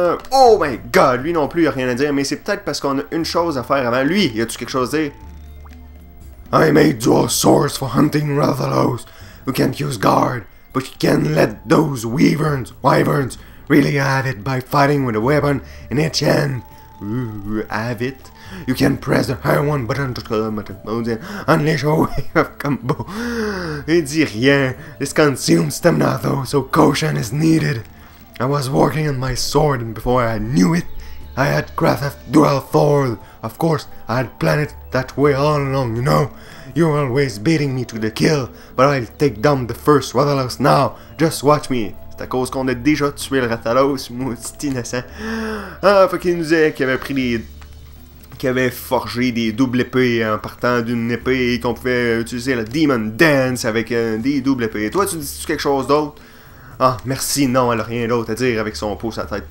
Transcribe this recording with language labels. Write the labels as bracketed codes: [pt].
[fr] Oh my god, lui non plus, il a rien à dire, mais c'est peut-être parce qu'on a une chose à faire avant lui. Y a-tu quelque chose à dire? [en] I made you a source for hunting Rathalos, who can't use guard, but you can let those wyverns, really have it by fighting with a weapon in each hand. Have it? You can press the higher one button to unleash a wave of combo. [fr] Il dit rien. [en] This consumes stamina though, so caution is needed. I was working on my sword and before I knew it, I had crafted dual thorn. Of course, I had planned it that way all along, you know? You're always beating me to the kill, but I'll take down the first Rathalos now. Just watch me. [fr] C'est à cause qu'on a déjà tué le Rathalos, mon petit innocent. Ah, faut qu'il nous ait qu'il avait pris des... qu'il avait forgé des doubles épées en partant d'une épée et qu'on pouvait utiliser la Demon Dance avec des doubles épées. Toi, tu dis-tu quelque chose d'autre? Ah, merci, non, elle a rien d'autre à dire avec son pouce à la tête.